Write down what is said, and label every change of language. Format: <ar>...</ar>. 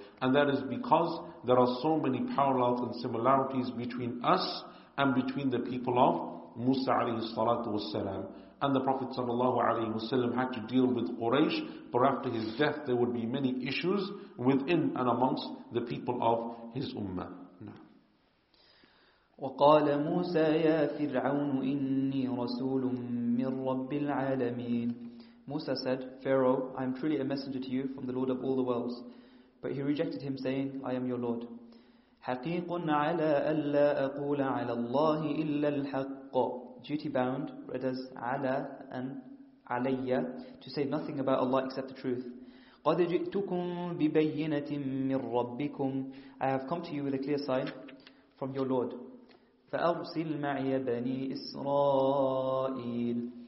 <en>And that is because there are so many parallels and similarities between us and between the people of Musa alayhi salatu wa salam. And the Prophet sallallahu alayhi wa sallam had to deal with Quraysh, but after his death there would be many issues within and amongst the people of his ummah.</en> <ar>وقال موسى يا فرعون إني رسول من رب العالمين.</ar> <en>Musa said, Pharaoh, I am truly a messenger to you from the Lord of all the worlds. But he rejected him, saying, I am your Lord.</en> <ar>حقيق على ألا أقول على الله إلا الحق.</ar> <en>Duty bound, read as على and علي, to say nothing about Allah except the truth.</en> <ar>قد جئتكم ببينة من ربكم.</ar> <en>I have come to you with a clear sign from your Lord.</en> <ar>فَأَرْسِلْ مَعِيَ بَنِي إِسْرَائِيلِ.</ar>